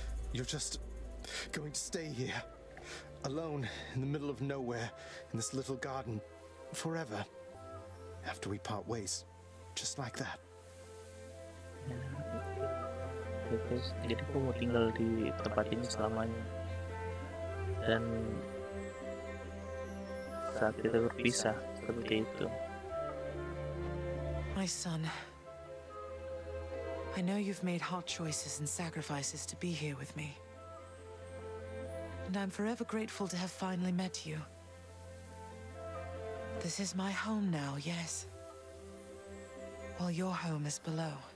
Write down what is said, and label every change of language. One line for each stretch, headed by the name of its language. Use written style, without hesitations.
English: You're just going to stay here alone in the middle of nowhere in this little garden forever after we part ways just like that.
Indonesian: Jadi aku mau tinggal di tempat ini selamanya, dan saat kita berpisah seperti itu.
English: My son, I know you've made hard choices and sacrifices to be here with me, and I'm forever grateful to have finally met you. This is my home now, yes, while your home is below.